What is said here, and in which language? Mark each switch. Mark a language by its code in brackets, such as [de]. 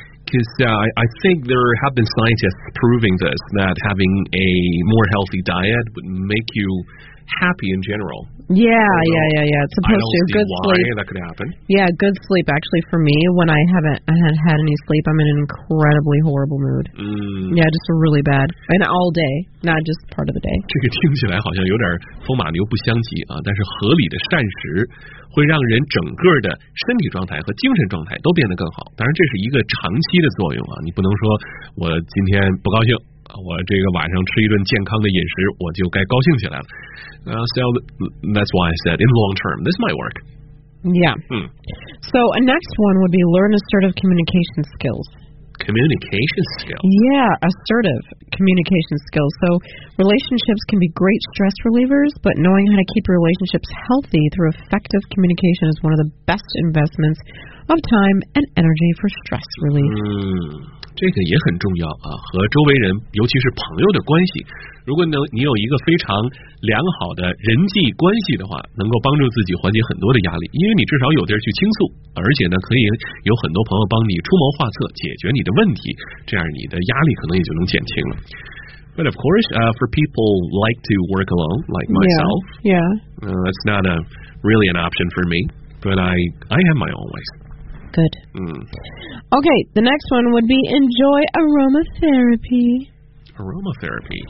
[en] Because I think there have been scientists proving this, that having a more healthy diet would make you... happy in general. Yeah. It's supposed to. I don't to. See good why sleep. That could happen. Yeah, good sleep. Actually, for me, when I haven't had any sleep, I'm in an incredibly horrible mood. Mm. Yeah, just really bad. And all day, not just part of the day. [zh] 这个听起来好像有点风马牛不相及啊，但是合理的膳食会让人整个的身体状态和精神状态都变得更好。当然，这是一个长期的作用啊，你不能说我今天不高兴。我这个晚上吃一顿健康的饮食，我就该高兴起来了。 [en] So that's why I said in long term, this might work. Yeah. So a next one would be learn assertive communication skills. Communication skills? Yeah, assertive communication skills. So relationships can be great stress relievers, but knowing how to keep relationships healthy through effective communication is one of the best investments of time and energy for stress relief. Mm. [zh] 这个也很重要啊，和周围人尤其是朋友的关系，如果你有一个非常良好的人际关系的话，能够帮助自己缓解很多的压力，因为你至少有地儿去倾诉，而且呢可以有很多朋友帮你出谋划策解决你的问题，这样你的压力可能也就能减轻了。 [en] But of course, for people like to work alone, like myself, that's not a really an option for me, but I have my own ways. Good. Mm. Okay, the next one would be enjoy aromatherapy. Aromatherapy?